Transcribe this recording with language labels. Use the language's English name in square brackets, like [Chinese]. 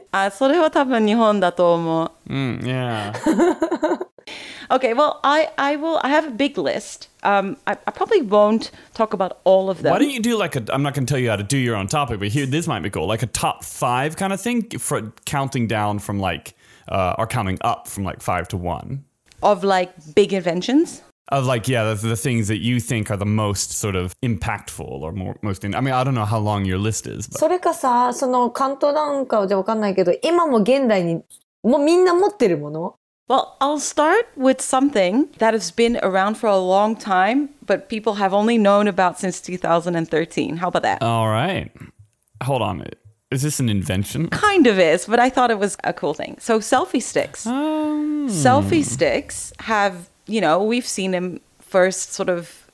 [Japanese] あ、それは多分日本だと思う。 [English] Yeah. Okay, well, I have a big list. I probably won't talk about all of them. Why don't you do like a, I'm not going to tell you how to do your own topic, but here, this might be cool, like a top five kind of thing for counting down from like, or counting up from like 5 to 1. Of like big inventions? Of like, yeah, the things that you think are the most sort of impactful or most, I mean, I don't know how long your list is. But... [Japanese] それかさ、そのカウントダウンかじゃわかんないけど、今も現代にもうみんな持ってるもの？ [English] Well, I'll start with something that has been around for a long time, but people have only known about since 2013. How about that? All right. Hold on. Is this an invention? Kind of is, but I thought it was a cool thing. So selfie sticks. Selfie sticks have, you know, we've seen them first sort of